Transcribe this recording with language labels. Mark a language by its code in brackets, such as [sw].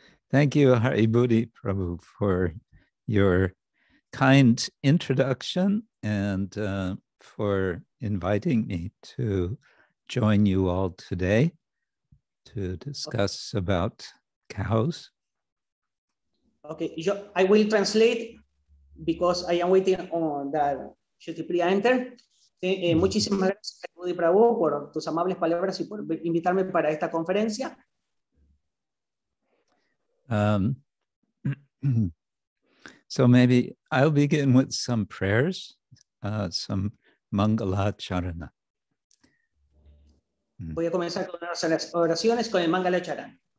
[en] Thank you, Hari Budi Prabhu, for your kind introduction and for inviting me to join you all today to discuss about cows. Okay, I will translate because I am waiting on that Shri enter. [es] Muchísimas gracias, Budi Prabhu, por tus amables palabras y por invitarme para esta conferencia. [en] So maybe I'll begin with some prayers, some Mangala Charana. [es] Voy a comenzar con las oraciones con el Mangala Charana.